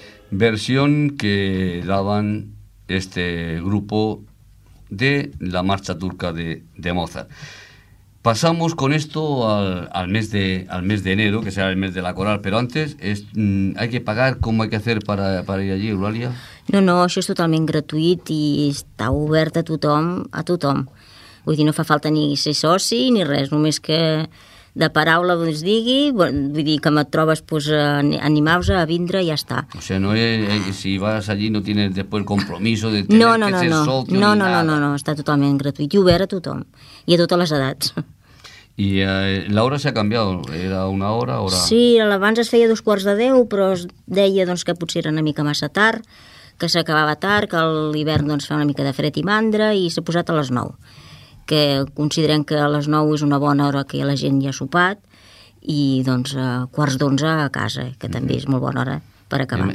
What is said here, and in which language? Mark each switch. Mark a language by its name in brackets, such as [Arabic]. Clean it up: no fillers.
[Spanish] Versión que daban este grupo de la marcha turca de Mozart. Pasamos con esto al mes de enero, que será el mes de la coral, pero antes hay que pagar. ¿Cómo hay que hacer para ir allí, Eulàlia? [Catalan] No, això és totalment gratuït i està obert a tothom. Vull dir, no fa falta ni ser soci ni res, només que de paraula us digui, vull dir, que me trobes, pues, animaus a vindre i ja està. O sigui, [Spanish] no si vas allí no tienes después el compromiso de tener [Catalan] No, està totalment gratuït i obert a tothom i a totes les edats. I l'hora s'ha canviat, era una hora? Ora... Sí, abans es feia 9:45, però es deia, doncs, que potser era una mica massa tard, que s'acabava tard, que l'hivern, doncs, fa una mica de fred i mandra, i s'ha posat a 9:00, que considerem que a 9:00 és una bona hora que la gent ja ha sopat, i doncs a 10:45 a casa, que també és molt bona hora per acabar.